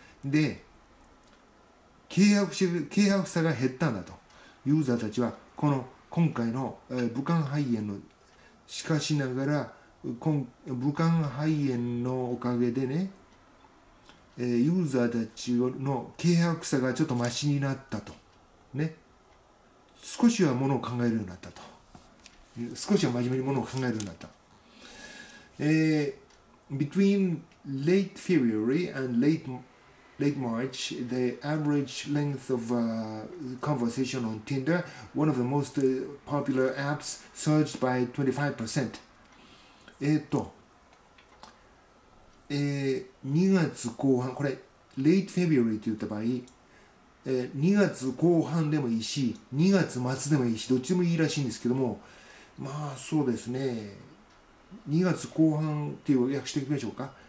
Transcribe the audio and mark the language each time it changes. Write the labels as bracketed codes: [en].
[ja] で、軽薄さが減ったんだと、ユーザーたちは、この今回の武漢肺炎の、しかしながら、武漢肺炎のおかげでね、ユーザーたちの軽薄さがちょっとマシになったと、ね、少しはものを考えるようになったと、少しは真面目にものを考えるようになった。 [en] Between late February and late March, the average length of conversation on Tinder, one of the most popular apps, surged by 25%. [ja] 2月後半、これ、 [en] late February [ja] って言った場合、2月後半でもいいし、2月末でもいいし、どっちでもいいらしいんですけども、まあそうですね、2月後半っていう訳していきましょうか。